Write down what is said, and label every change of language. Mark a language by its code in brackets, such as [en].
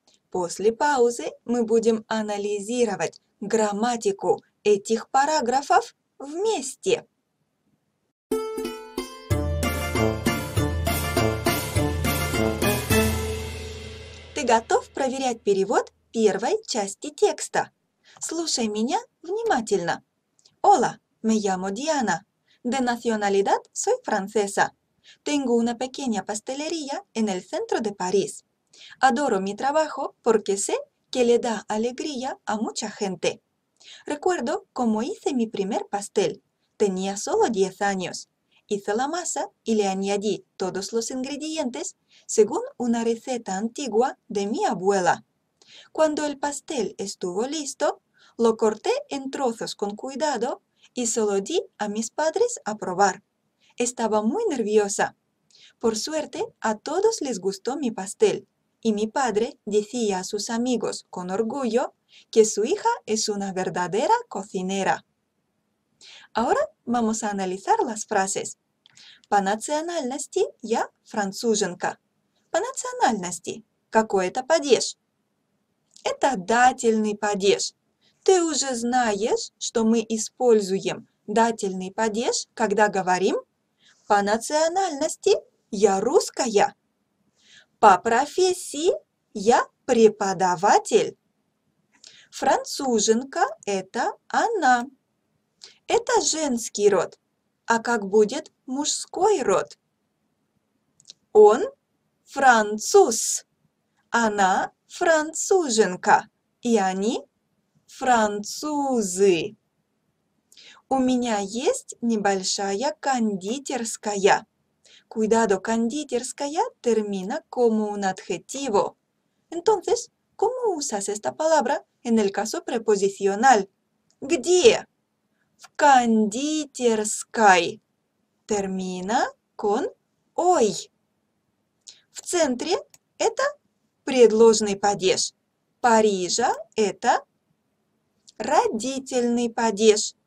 [ru] После паузы мы будем анализировать грамматику этих параграфов вместе. Ты готов проверять перевод первой части текста? Слушай меня внимательно. [es] Hola, me llamo Diana. De nacionalidad soy francesa. Tengo una pequeña pastelería en el centro de París. Adoro mi trabajo porque sé que le da alegría a mucha gente. Recuerdo cómo hice mi primer pastel. Tenía solo 10 años. Hice la masa y le añadí todos los ingredientes según una receta antigua de mi abuela. Cuando el pastel estuvo listo, lo corté en trozos con cuidado y se lo di a mis padres a probar. Estaba muy nerviosa. Por suerte, a todos les gustó mi pastel. Y mi padre decía a sus amigos con orgullo que su hija es una verdadera cocinera. Ahora vamos a analizar las frases. [ru] По национальности я француженка. По национальности. Какой это падеж? Это дательный падеж. Ты уже знаешь, что мы используем дательный падеж, когда говорим «По национальности я русская». По профессии я преподаватель. Француженка – это она. Это женский род. А как будет мужской род? Он – француз. Она – француженка. И они – французы. У меня есть небольшая кондитерская. [es] Cuidado, кондитерская termina como un adjetivo. Entonces, ¿cómo usas esta palabra en el caso preposicional? [ru] ¿Где? В кондитерской. [es] Termina con ой. [ru] В центре – это предложный падеж. Парижа – это родительный падеж.